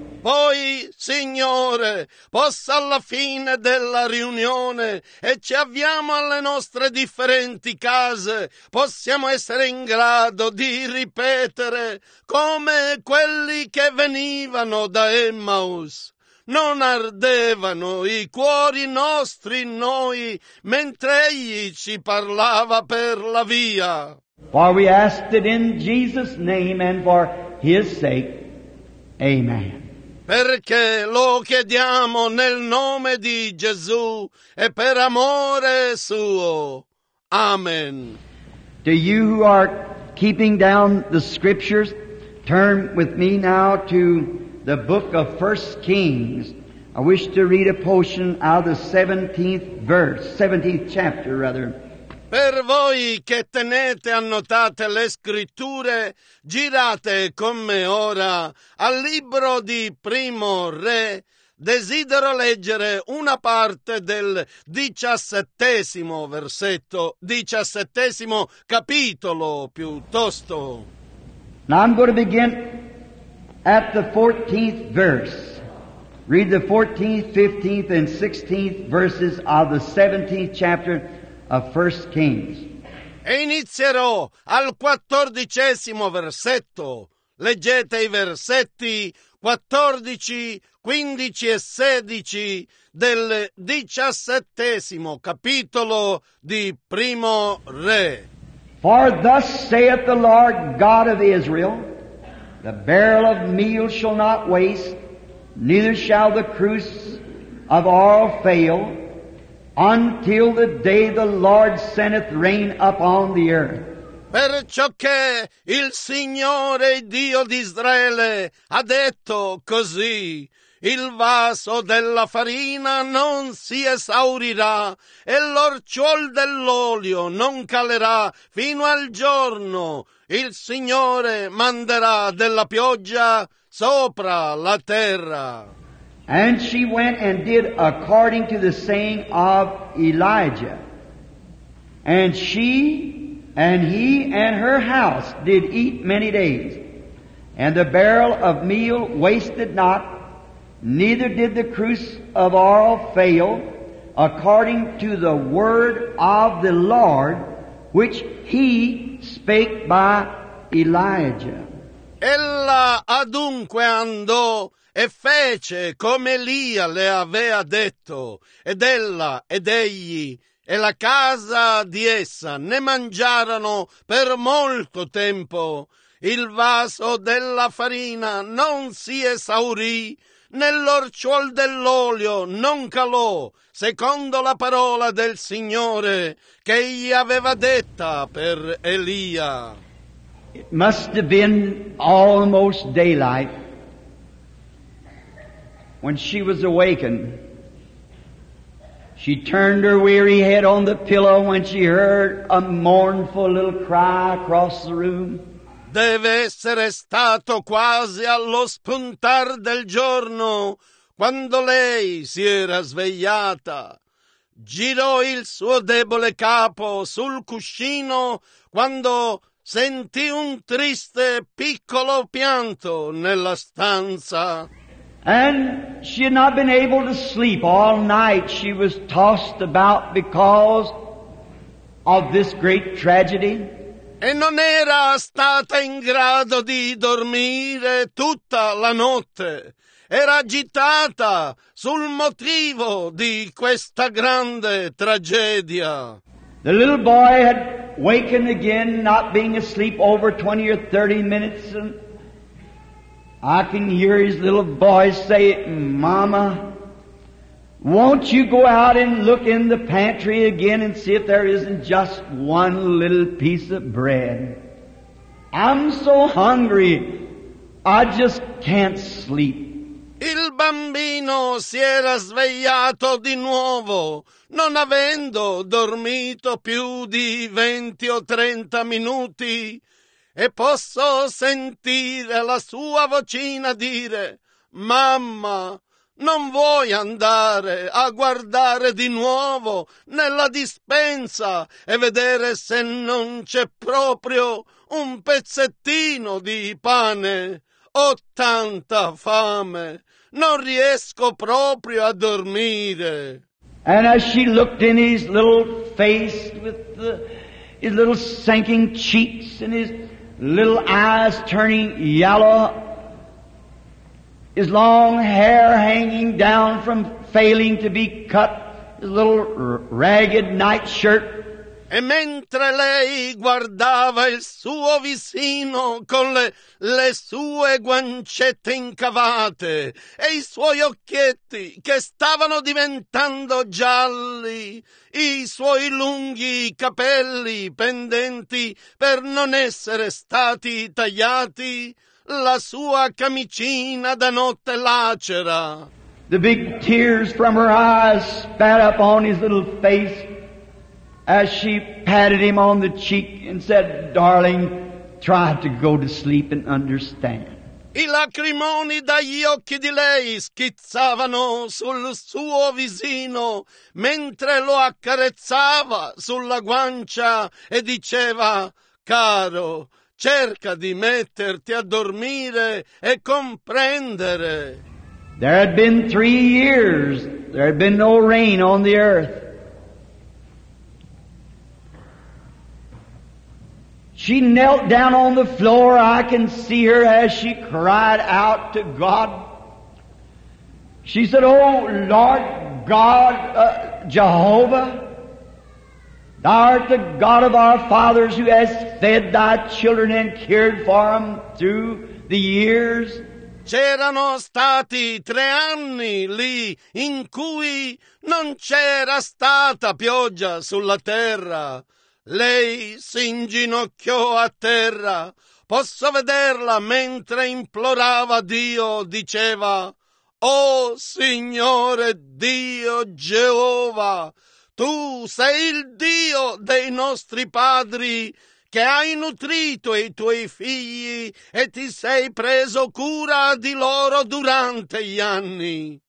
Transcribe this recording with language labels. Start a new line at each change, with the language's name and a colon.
Italian: Poi, Signore, possa alla fine della riunione e ci avviamo alle nostre differenti case, possiamo essere in grado di ripetere come quelli che venivano da Emmaus. Non ardevano i cuori nostri in noi mentre egli ci parlava per la via.
English: For we asked it in Jesus' name and for his sake. Amen.
Italian: Perché lo chiediamo nel nome di Gesù e per amore suo. Amen.
English: To you who are keeping down the scriptures, turn with me now to the book of 1 Kings. I wish to read a portion out of the 17th chapter, rather.
Italian: Per voi che tenete annotate le scritture, girate con me ora al libro di Primo Re. Desidero leggere una parte del 17° versetto, 17° capitolo piuttosto.
English: Now I'm going to begin at the 14th verse. Read the 14th, 15th, and 16th verses of the 17th chapter of 1 Kings.
Italian: E inizierò al 14° versetto. Leggete i versetti 14, 15 e 16 del 17° capitolo di Primo Re.
English: For thus saith the Lord God of Israel, the barrel of meal shall not waste, neither shall the cruse of oil fail, until the day the Lord sendeth rain upon the earth.
Italian: Perciò che il Signore Dio d'Israele ha detto così, il vaso della farina non si esaurirà e l'orciol dell'olio non calerà fino al giorno il Signore manderà della pioggia sopra la terra.
English: And she went and did according to the saying of Elijah. And she and he and her house did eat many days. And the barrel of meal wasted not, neither did the cruse of oil fail, according to the word of the Lord, which he spake by Elijah.
Italian: Ella adunque andò e fece come Elia le aveva detto, ed ella ed egli e la casa di essa ne mangiarono per molto tempo. Il vaso della farina non si esaurì, nell'orciol dell'olio non calò, secondo la parola del Signore che gli aveva detta per Elia.
English: It must have been almost daylight when she was awakened. She turned her weary head on the pillow when she heard a mournful little cry across the room.
Italian: Deve essere stato quasi allo spuntar del giorno quando lei si era svegliata. Girò il suo debole capo sul cuscino quando sentì un triste piccolo pianto nella stanza.
English: And she had not been able to sleep all night. She was tossed about because of this great tragedy.
Italian: E non era stata in grado di dormire tutta la notte. era agitata sul motivo di questa grande tragedia.
English: The little boy had wakened again, not being asleep over 20 or 30 minutes. And I can hear his little boy say, "Mama, won't you go out and look in the pantry again and see if there isn't just one little piece of bread? I'm so hungry, I just can't sleep."
Italian: Il bambino si era svegliato di nuovo, non avendo dormito più di 20 o 30 minuti, e posso sentire la sua vocina dire: "Mamma, non vuoi andare a guardare di nuovo nella dispensa e vedere se non c'è proprio un pezzettino di pane? Ho tanta fame, non riesco proprio a dormire."
English: And as she looked in his little face with his little sinking cheeks and his little eyes turning yellow, his long hair hanging down from failing to be cut, his little ragged nightshirt.
Italian: E mentre lei guardava il suo visino con le sue guancette incavate e i suoi occhietti che stavano diventando gialli, i suoi lunghi capelli pendenti per non essere stati tagliati, la sua camicina da notte lacera.
English: The big tears from her eyes spat up on his little face as she patted him on the cheek and said, "Darling, try to go to sleep and understand."
Italian: I lacrimoni dagli occhi di lei schizzavano sul suo visino mentre lo accarezzava sulla guancia e diceva: "Caro, cerca di metterti a dormire e comprendere."
English: There had been 3 years. There had been no rain on the earth. She knelt down on the floor. I can see her as she cried out to God. She said, "Oh, Lord God, Jehovah, Thou art the God of our fathers who has fed Thy children and cared for them through the years."
Italian: C'erano stati 3 anni lì in cui non c'era stata pioggia sulla terra. Lei si inginocchiò a terra. Posso vederla mentre implorava Dio, diceva: "Oh Signore Dio Geova, Tu sei il Dio dei nostri padri che hai nutrito i tuoi figli e ti sei preso cura di loro durante gli anni."